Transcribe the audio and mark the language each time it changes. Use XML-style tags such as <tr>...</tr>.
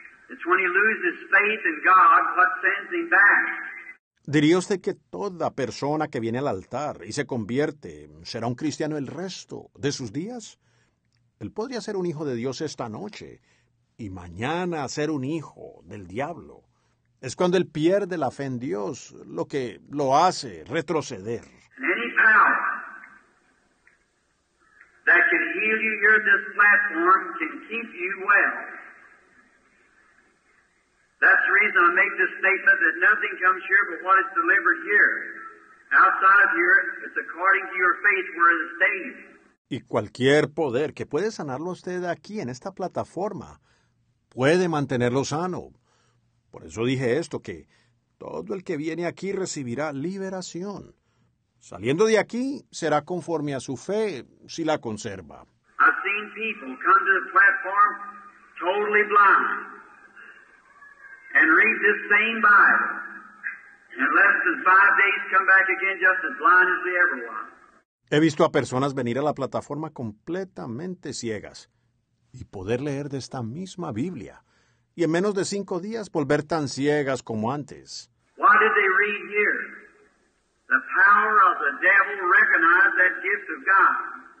<en>It's when he loses faith in God what sends him back.</en> <es>¿Diría usted que toda persona que viene al altar y se convierte será un cristiano el resto de sus días? Él podría ser un hijo de Dios esta noche y mañana ser un hijo del diablo. Es cuando él pierde la fe en Dios lo que lo hace retroceder.</es> <en>Any power that can heal you here at this platform can keep you well. That's the reason I make this statement that nothing comes here but what is delivered here. Outside of here, it's according to your faith where it stays.</en> <es>Y cualquier poder que puede sanarlo usted aquí en esta plataforma puede mantenerlo sano. Por eso dije esto, que todo el que viene aquí recibirá liberación. Saliendo de aquí, será conforme a su fe si la conserva.</es> <en>I've seen people come to this platform totally blind and read this same Bible and less than 5 days come back again just as blind as the ever one.</en> <es>He visto a personas venir a la plataforma completamente ciegas y poder leer de esta misma Biblia y en menos de 5 días volver tan ciegas como antes.</es> <en>What did they read here? The power of the devil recognized that gift of God.</en>